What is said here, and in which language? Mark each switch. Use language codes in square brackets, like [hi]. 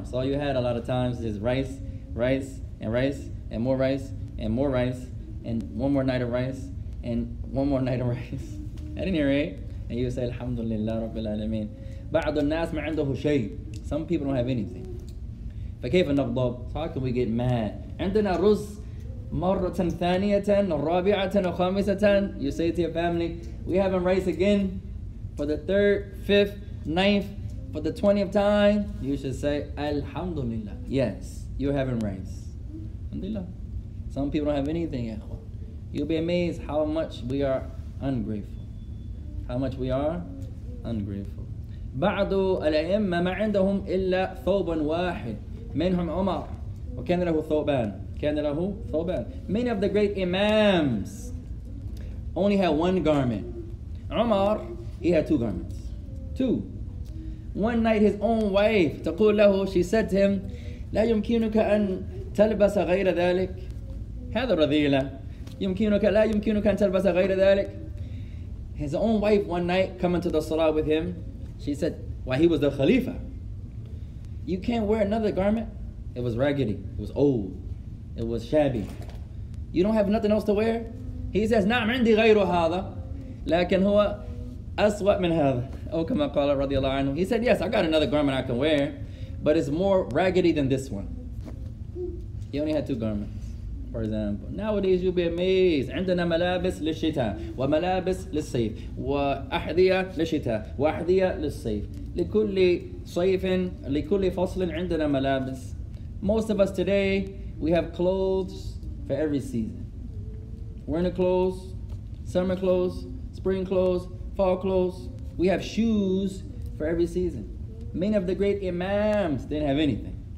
[en] It's all you had a lot of times is rice, and more rice, and one more night of rice. At any rate, and you say Alhamdulillah Rabbil Alameen. [ar] بعض الناس ما عنده شيء. [en] Some people don't have anything. [ar] فكيف نغضب? [en] How can we get mad? [ar] عندنا رز مرة ثانية رابعة وخامسة. [en] You say to your family, we having rice again for the third, fifth, ninth, for the 20th time. You should say Alhamdulillah. Yes, you're having rice. Alhamdulillah. Some people don't have anything. You'll be amazed how much we are ungrateful. [ar] بعض الأئمة ما عندهم إلا ثوب واحد. منهم عمر وكان له ثوبان. [en] Many of the great imams only had one garment. عمر, he had two garments. Two. One night his own wife [ar] تقول له, [en] she said to him, [ar] لا يمكنك أن تلبس غير ذلك. هذا رذيلة. يمكنك لا يمكنك أن تلبس غير ذلك. [en] His own wife one night coming to the salah with him, she said, while he was the Khalifa, you can't wear another garment. It was raggedy, it was old, it was shabby. You don't have nothing else to wear. He says, [ar] نعم عندي غير هذا, لكن هو أسوأ من هذا. أو كما قال رضي الله عنه. [en] He said, yes, I got another garment I can wear, but it's more raggedy than this one. He only had two garments. For example, nowadays you'll be amazed. [ar] عندنا ملابس للشتاء وملابس للصيف وأحذية للشتاء وأحذية للصيف. لكل صيف لكل فصل عندنا ملابس. [en] Most of us today, we have clothes for every season. Winter clothes, summer clothes, spring clothes, fall clothes. We have shoes for every season. Many of the great imams didn't have anything.